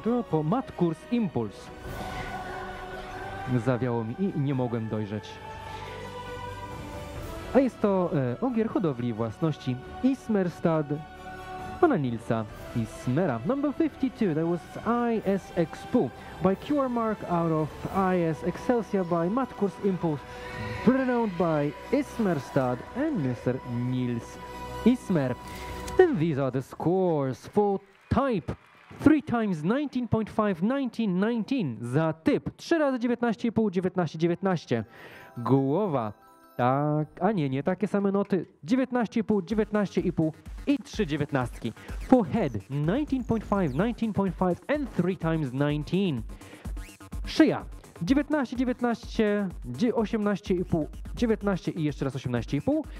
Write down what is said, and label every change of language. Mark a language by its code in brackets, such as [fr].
[pl] Po Mat Kurs Impuls. Zawiało mi i nie mogłem dojrzeć. A jest to ogier hodowli własności Ismerstad pana Nilsa Ismera. [en] Number 52, that was ISXPU by QR Mark out of IS Excelsia by Mat Kurs Impuls, renowned by Ismerstad and Mr. Nils Ismer. And these are the scores for type 3 × 19.5, 19, 19. [pl] Za typ 3 × 19,5, 19, 19. Głowa, tak, a nie, nie, takie same noty, 19,5, 19,5 i 3 dziewiętnastki. [en] For head 19.5, 19.5 and 3 × 19. [pl] Szyja 19, 19, 18,5, 19 i jeszcze raz 18,5.